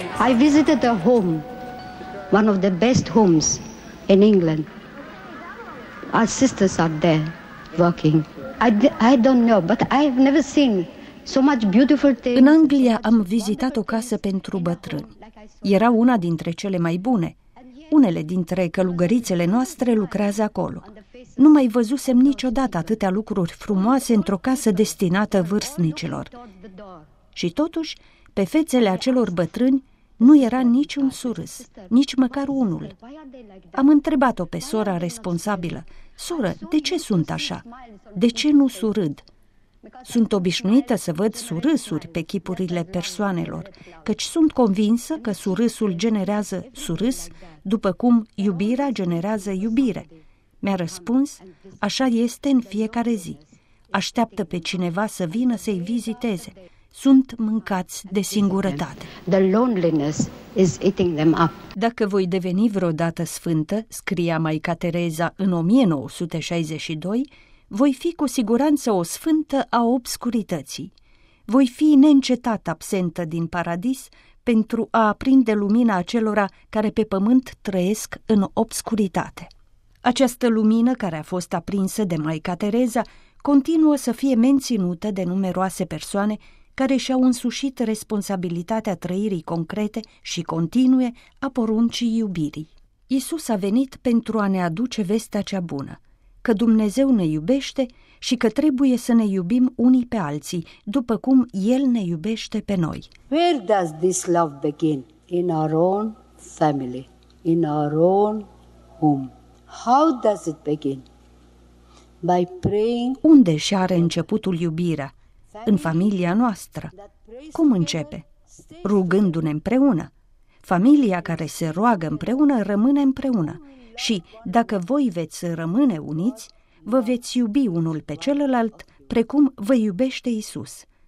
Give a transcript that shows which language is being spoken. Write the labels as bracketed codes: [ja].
[en] I visited a home, one of the best homes in England. Our sisters are there working. I don't know, but I've never seen so much beautiful things. [ro] În Anglia am vizitat o casă pentru bătrâni. Era una dintre cele mai bune. Unele dintre călugărițele noastre lucrează acolo. Nu mai văzusem niciodată atâtea lucruri frumoase într-o casă destinată vârstnicilor. Și totuși, pe fețele acelor bătrâni nu era niciun surâs, nici măcar unul. Am întrebat-o pe sora responsabilă: soră, de ce sunt așa? De ce nu surâd? Sunt obișnuită să văd surâsuri pe chipurile persoanelor, căci sunt convinsă că surâsul generează surâs, după cum iubirea generează iubire. Mi-a răspuns: așa este în fiecare zi. Așteaptă pe cineva să vină să-i viziteze. Sunt mâncați de singurătate. [en] The loneliness is eating them up. [ro] Dacă voi deveni vreodată sfântă, scria Maica Tereza în 1962, voi fi cu siguranță o sfântă a obscurității. Voi fi neîncetat absentă din paradis pentru a aprinde lumina acelora care pe pământ trăiesc în obscuritate. Această lumină care a fost aprinsă de Maica Tereza continuă să fie menținută de numeroase persoane care și-au însușit responsabilitatea trăirii concrete și continue a poruncii iubirii. Iisus a venit pentru a ne aduce vestea cea bună, că Dumnezeu ne iubește și că trebuie să ne iubim unii pe alții, după cum El ne iubește pe noi. [en] Where does this love begin? In our own family, in our own home. How does it begin? By praying. [ro] Unde și are începutul iubirea? În familia noastră. Cum începe? Rugându-ne împreună. Familia care se roagă împreună rămâne împreună. Și dacă voi veți rămâne uniți, vă veți iubi unul pe celălalt, precum vă iubește Iisus.